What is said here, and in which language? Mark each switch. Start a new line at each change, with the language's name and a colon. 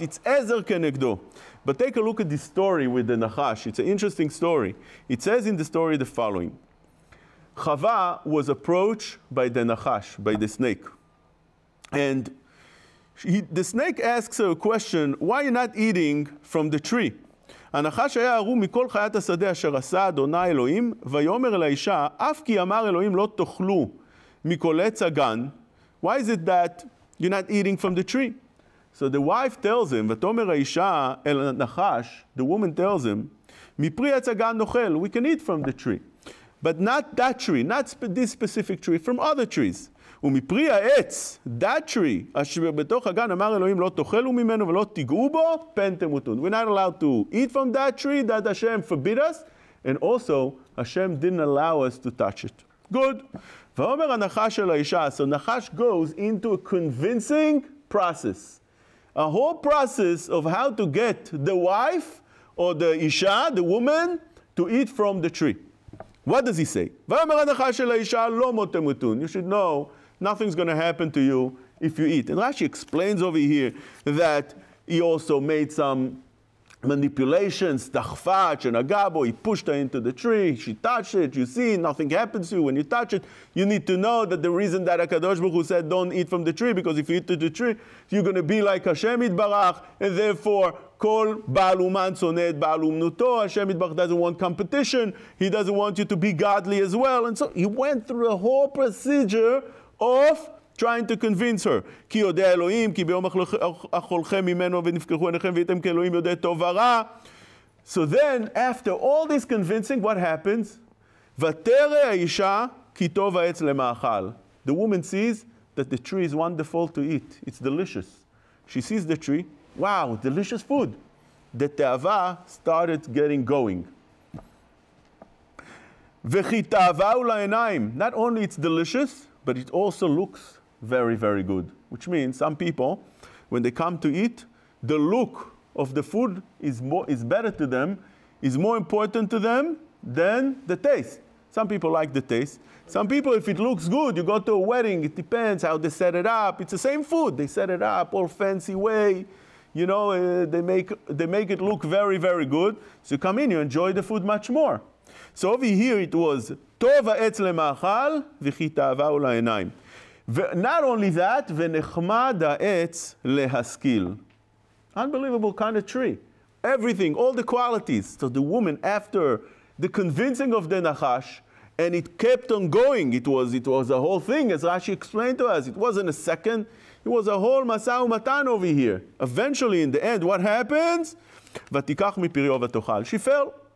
English: It's Ezer Kenegdo. But take a look at this story with the Nachash. It's an interesting story. It says in the story the following. Chava was approached by the Nachash, by the snake. And the snake asks her a question, why are you not eating from the tree?
Hebrew: הנחש היה ערום מכל חיית השדה אשר עשה אדוני אלוהים, ויאמר אל האישה, אף כי אמר אלוהים לא תאכלו מכל עץ הגן.
English: Why is it that you're not eating from the tree? So the wife tells him,
Hebrew: ותאמר האישה אל הנחש,
English: the woman tells him,
Hebrew: מפרי עץ הגן נאכל,
English: we can eat from the tree. But not that tree, not this specific tree, from other trees.
Hebrew: ומפרי העץ,
English: that tree,
Hebrew: אשר בתוך הגן אמר אלוהים לא תאכלו ממנו ולא תיגעו בו, פנתם ותון.
English: We're not allowed to eat from that tree that Hashem forbid us, and also Hashem didn't allow us to touch it. Good.
Hebrew: ואומר הנחש אל האישה,
English: so נחש goes into a convincing process. A whole process of how to get the wife or the isha, the woman, to eat from the tree. What does he say?
Hebrew: ואומר הנחש אל האישה, לא מותם ותון.
English: You should know, nothing's going to happen to you if you eat. And Rashi explains over here that he also made some manipulations, tachfach and agabo, he pushed her into the tree, she touched it, you see, nothing happens to you when you touch it. You need to know that the reason that HaKadosh Baruch Hu said don't eat from the tree, because if you eat to the tree, you're going to be like Hashem Yitbarach, and therefore, kol ba'aluman tzoned ba'alumnuto, Hashem Yitbarach doesn't want competition, he doesn't want you to be godly as well. And so he went through a whole procedure of trying to convince her.
Hebrew: כי יודע אלוהים, כי ביום אכולכם ממנו ונפקחו עיניכם ואיתם כי אלוהים יודע טוב ורע.
English: So then, after all this convincing, what happens?
Hebrew: ותרא האישה כי טוב העץ למאכל.
English: The woman sees that the tree is wonderful to eat. It's delicious. She sees the tree. Wow, delicious food. The תאווה started getting going.
Hebrew: וכי תאווה הוא לעיניים.
English: Not only it's delicious, but it also looks very, very good. Which means some people, when they come to eat, the look of the food is better to them, is more important to them than the taste. Some people like the taste. Some people, if it looks good, you go to a wedding, it depends how they set it up. It's the same food. They set it up all fancy way. You know, they make it look very, very good. So you come in, you enjoy the food much more. So over here it was,
Hebrew: טוב העץ למאכל וכי תאווה הוא לעיניים.
English: Not only that,
Hebrew: ונחמד העץ להשכיל.
English: Unbelievable kind of tree. Everything, all the qualities. So the woman, after the convincing of the Nachash, and it kept on going, it was a whole thing, as Rashi explained to us. It wasn't a second, it was a whole Masah Umatan over here. Eventually, in the end, what happens?
Hebrew: ותיקח מפריו ותאכל.
English: She fell.